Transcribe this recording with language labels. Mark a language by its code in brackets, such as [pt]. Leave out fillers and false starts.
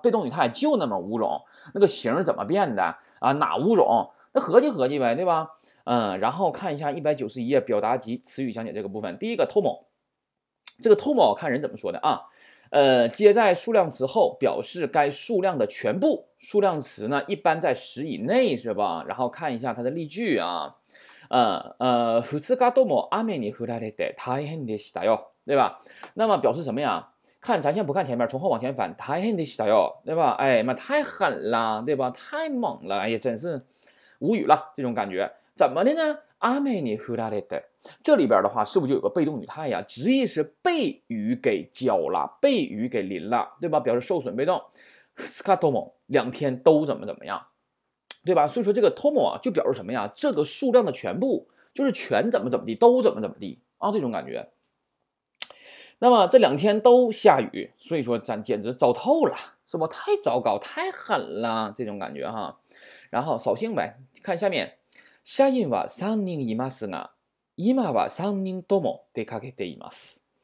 [zh] 被动语态就那么五种，那个形怎么变的啊？哪五种？那合计合计呗，对吧？然后看一下191页表达及词语讲解这个部分，第一个 tomo，这个 tomo 看人怎么说的啊。接在数量词后，表示该数量的全部。数量词呢，一般在十以内，是吧？然后看一下它的例句啊， [ja] 二日とも雨に降られて大変でしたよ， [zh] 对吧？那么表示什么呀？看，咱先不看前面，从后往前翻， [ja] 大変でしたよ， [zh] 对吧？哎妈，太狠了，对吧？太猛了，哎呀，真是无语了，这种感觉怎么的呢？ [ja] 雨に降られて。 [zh] 这里边的话，是不是就有个被动语态呀？直译是被雨给浇了，被雨给淋了，对吧？表示受损被动。スカトモ两天都怎么样，对吧？所以说这个トモ啊，就表示什么呀？这个数量的全部，就是全怎么地，都怎么地啊，这种感觉。那么这两天都下雨，所以说咱简直糟透了，是吧？太糟糕，太狠了，这种感觉哈。然后扫兴呗，看下面， [ja] 社員は3人いますが。今は3人とも出かけています。